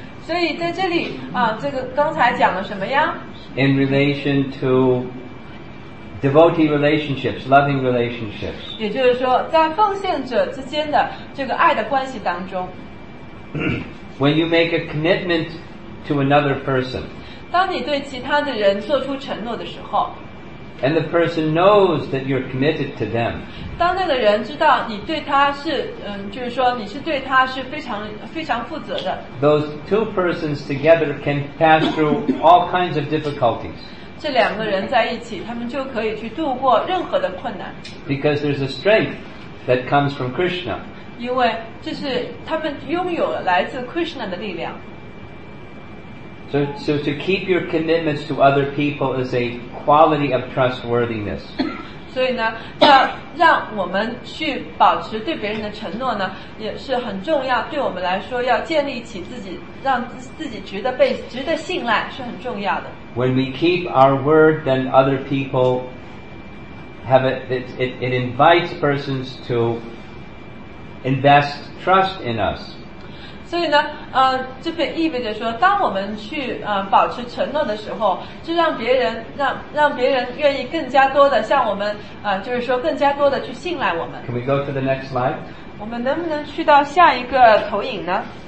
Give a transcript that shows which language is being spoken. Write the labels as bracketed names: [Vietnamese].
[Chinese] 所以在这里这个刚才讲了什么呀？ [English] In relation to devotee relationships, loving relationships. [Chinese] 也就是说，在奉献者之间的这个爱的关系当中。 [English] When you make a commitment to another person. [Chinese] 当你对其他的人做出承诺的时候。 [English] And the person knows that you're committed to them. [Chinese] 当那个人知道你对他是，就是说你是对他是非常非常负责的。 [English] Those two persons together can pass through all kinds of difficulties. [Chinese] 这两个人在一起，他们就可以去度过任何的困难。 [English] Because there's a strength that comes from Krishna. [Chinese] 因为这是他们拥有来自 Krishna 的力量。 [English] So to keep your commitments to other people is a quality of trustworthiness. [Chinese] 所以呢要让我们去保持对别人的承诺呢也是很重要，对我们来说要建立起自己让自己值得被值得信赖是很重要的。 [English] When we keep our word then other people have it invites persons to invest trust in us. [Chinese] 所以呢这便意味着说当我们去保持承诺的时候就让别人让别人愿意更加多的向我们就是说更加多的去信赖我们。 [English] Can we go to the next slide? [Chinese] 我们能不能去到下一个投影呢？